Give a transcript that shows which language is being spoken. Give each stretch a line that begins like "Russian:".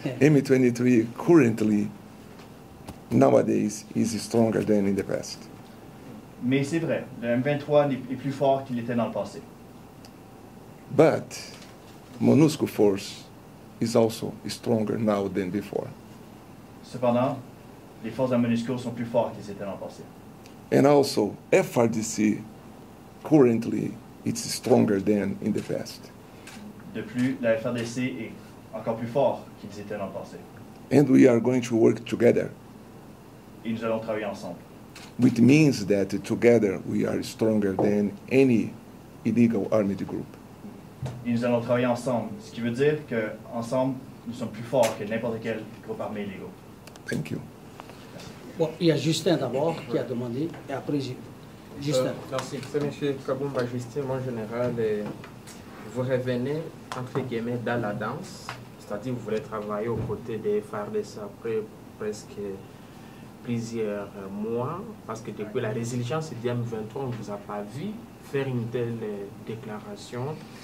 English: M23 currently, nowadays, is stronger than in the past.
French: Mais c'est vrai, le M23 est plus fort qu'il était dans le passé.
English: But MONUSCO force is also stronger now than before.
French: Cependant, les forces de MONUSCO sont plus fortes qu'ils étaient dans le passé.
English: And also, FRDC currently it's stronger than in the past.
French: De plus, la FRDC est encore plus fort qu'ils étaient dans le passé.
English: And we are going to work together.
French: Et nous allons travailler ensemble.
English: Which means that together we are stronger than any illegal armed group.
French: Et nous allons travailler ensemble, ce qui veut dire que ensemble nous sommes plus forts que n'importe quel groupe armé illégal.
English: Thank you.
French: Bon, il y a Justin d'abord qui a demandé, et après j'ai... Justin. Merci. Monsieur Kabumba, Justin, mon général, et vous revenez entre guillemets dans la danse, c'est-à-dire vous voulez travailler aux côtés des FARDC après presque plusieurs mois, parce que depuis la résilience de M23, on ne vous a pas vu faire une telle déclaration.